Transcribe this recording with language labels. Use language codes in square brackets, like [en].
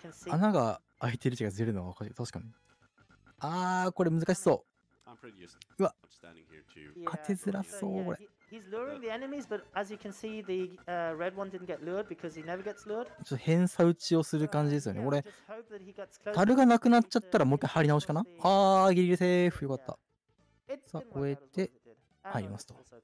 [ja] 穴が開いてる地がずれるのは確かに。あーこれ難しそう。うわ勝てづらそうこれ。 [en] He's luring the enemies, but as you can see, the red one didn't get lured because he never gets lured. [ja] ちょっと偏差打ちをする感じですよね。俺樽がなくなっちゃったらもう一回入り直しかな。あーギリギリセーフ、よかった。さあ、終えて入りますと。